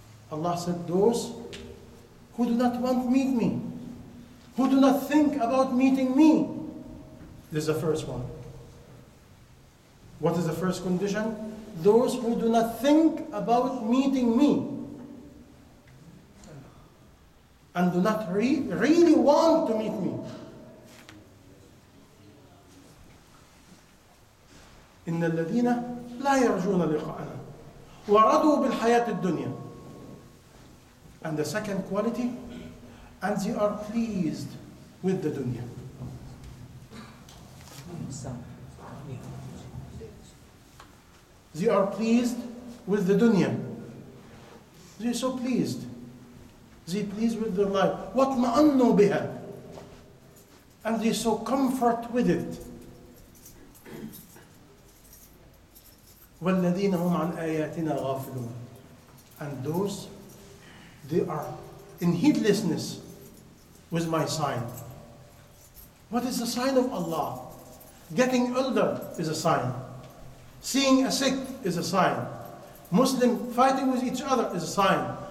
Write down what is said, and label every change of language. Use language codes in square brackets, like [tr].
[en] Allah said, those who do not want to meet me, who do not think about meeting me. This is the first one. What is the first condition? Those who do not think about meeting me and do not really want to meet me. [ar] إِنَّ الَّذِينَ لا يرجون لقاءنا ورضوا بالحياة الدنيا. [en] And the second quality, and they are pleased with the dunya. They are pleased with the dunya. They're so pleased. They're pleased with their life. What ma'annu biha. And they're so comfort with it. [ar] والذين هم عن آياتنا غافلون. [en] And those, they are in heedlessness with my sign. What is the sign of Allah? Getting older is a sign. Seeing a sick is a sign. Muslim fighting with each other is a sign.